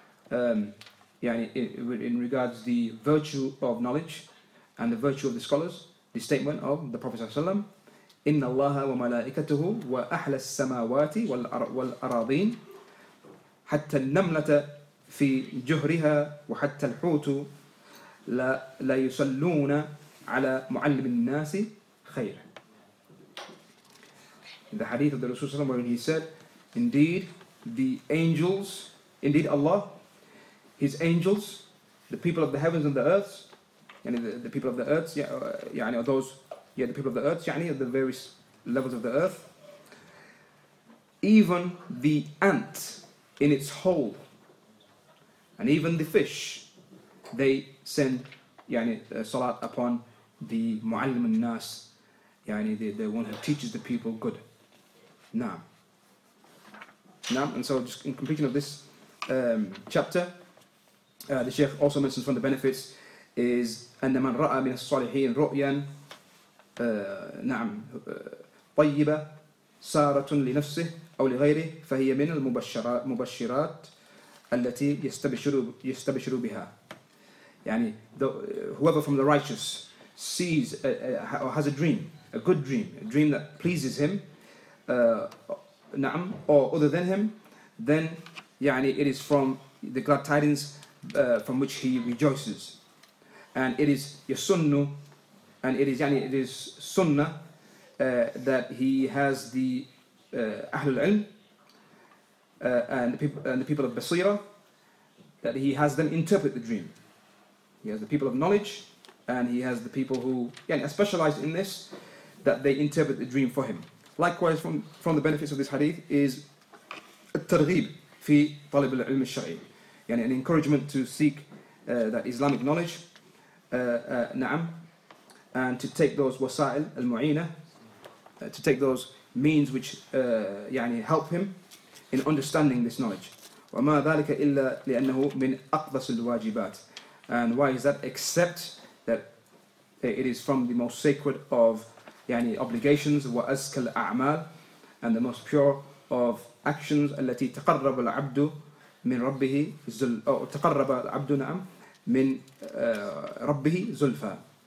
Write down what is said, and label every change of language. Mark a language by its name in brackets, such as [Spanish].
[English] in regards to the virtue of knowledge and the virtue of the scholars, the statement of the Prophet [Arabic] ﷺ, إِنَّ اللَّهَ وَمَلَائِكَتُهُ وَأَحْلَى السَّمَاوَاتِ وَالْأَرَاضِينَ حَتَّى النَّمْلَةَ فِي جُهْرِهَا وَحَتَّى الْحُوتُ لَا يُسَلُّونَ عَلَى مُعَلِّمِ النَّاسِ خَيْرًا. [English] In the hadith of the Rasul ﷺ, when he said, indeed, the angels, indeed Allah, his angels, the people of the heavens and the earth, yani the people of the earth, yani are those, yeah, the people of the earth, yani are the various levels of the earth. Even the ant in its hole, and even the fish, they send yani salat upon the mu'allim al-nas, yani the one who teaches the people good. [Arabic] Naam. [English] And so just in completion of this chapter, the Shaykh also mentions one of the benefits is [Arabic] أَنَّ مَنْ رَأَى مِنَ الصَّالِحِينَ رُؤْيًا نَعَمْ طَيِّبَ سَارَةٌ لِنَفْسِهِ أَوْ لِغَيْرِهِ فَهِيَ مِنَ الْمُبَشِّرَاتِ الَّتِي يَسْتَبِشِرُ بِهَا. [English] يعني whoever from the righteous sees or has a dream, a good dream, a dream that pleases him, or other than him, then يعني it is from the glad tidings from which he rejoices, and it is yasunnu, and it is يعني it is sunnah that he has the ahlul ilm and the people of basira, that he has them interpret the dream. He has the people of knowledge, and he has the people who يعني are specialized in this, that they interpret the dream for him. Likewise, from the benefits of this hadith is [Arabic] الترغيب في طالب العلم الشرعي, [English] يعني an encouragement to seek that Islamic knowledge, and to take those wasail المعينة, to take those means which يعني help him in understanding this knowledge. [Arabic] وما ذلك إلا لأنه من أقدس الواجبات. [English] And why is that? Except that it is from the most sacred of يعني obligations, [Arabic] وأزكى الأعمال, [English] and the most pure of actions, [Arabic] التي تقرب العبد من ربه زلفا, [English] تقرب العبد نعم من ربه زلفا.